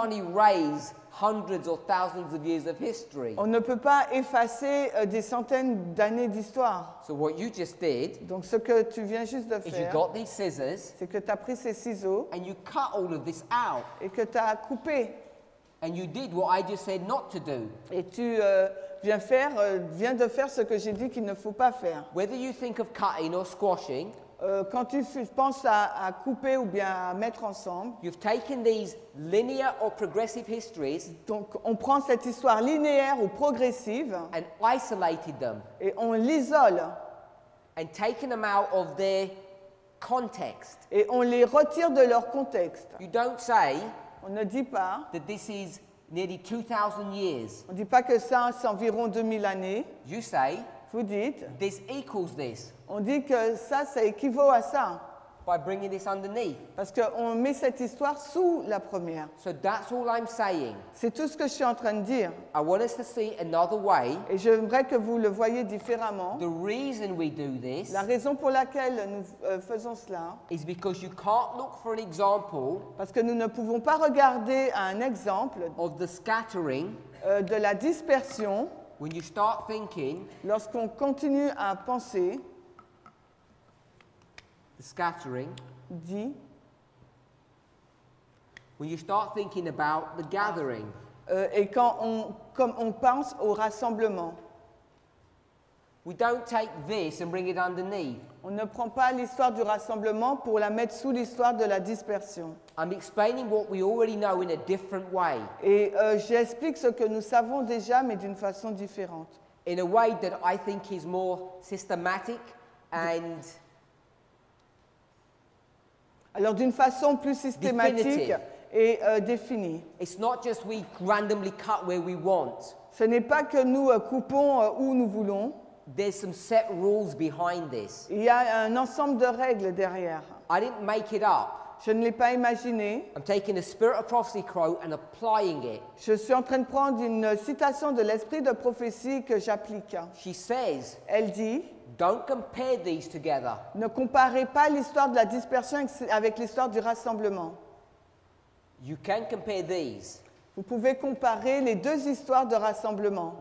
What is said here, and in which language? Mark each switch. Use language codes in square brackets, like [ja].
[en] You can't erase hundreds or thousands of years of history. [fr] On ne peut pas effacer des centaines d'années d'histoire. [en] So what you just did, [fr] donc ce que tu viens juste de faire, [en] you got these scissors, [fr] c'est que tu as pris ces ciseaux [en] and you cut all of this out, [fr] et que tu as coupé. [en] And you did what I just said not to do. [fr] Et tu viens de faire ce que j'ai dit qu'il ne faut pas faire. [en] Whether you think of cutting or squashing, [fr] quand tu penses à couper ou bien à mettre ensemble, [en] you've taken these linear or progressive histories, [fr] donc on prend cette histoire linéaire ou progressive [en] and isolated them, [fr] et on l'isole [en] and taken them out of their context, [fr] et on les retire de leur contexte. [en] You don't say, [fr] on ne dit pas [en] that this is nearly 2000 years. [fr] On ne dit pas que ça c'est environ 2000 années. [en] You say, [fr] vous dites, [en] this equals this. [fr] On dit que ça, ça équivaut à ça. [en] By bringing this underneath. [fr] Parce qu'on met cette histoire sous la première. [en] So that's all I'm saying. [fr] C'est tout ce que je suis en train de dire. [en] I want us to see another way. [fr] Et j'aimerais que vous le voyez différemment. [en] The reason we do this, [fr] la raison pour laquelle nous faisons cela, [en] is because you can't look for an example, [fr] parce que nous ne pouvons pas regarder un exemple [en] of the scattering, [fr] de la dispersion. [en] When you start thinking, [fr] lorsqu'on continue à penser, [en] the scattering, [fr] dit, [en] when you start thinking about the gathering, [fr] et quand on pense au rassemblement, [en] we don't take this and bring it underneath. [fr] On ne prend pas l'histoire du rassemblement pour la mettre sous l'histoire de la dispersion. [en] I'm explaining what we already know in a different way. [fr] Et j'explique ce que nous savons déjà, mais d'une façon différente. [en] In a way that I think is more systematic and... [fr] alors d'une façon plus systématique et définie. [en] It's not just we randomly cut where we want. [fr] Ce n'est pas que nous coupons où nous voulons. [en] There's some set rules behind this. [fr] Il y a un ensemble de règles derrière. [en] I didn't make it up. [fr] Je ne l'ai pas imaginé. [en] I'm taking a spirit of prophecy quote and applying it. [fr] Je suis en train de prendre une citation de l'esprit de prophétie que j'applique. [en] She says, [fr] elle dit, [en] don't compare these together. [fr] Ne comparez pas l'histoire de la dispersion avec l'histoire du rassemblement. [en] You can compare these. [fr] Vous pouvez comparer les deux histoires de rassemblement.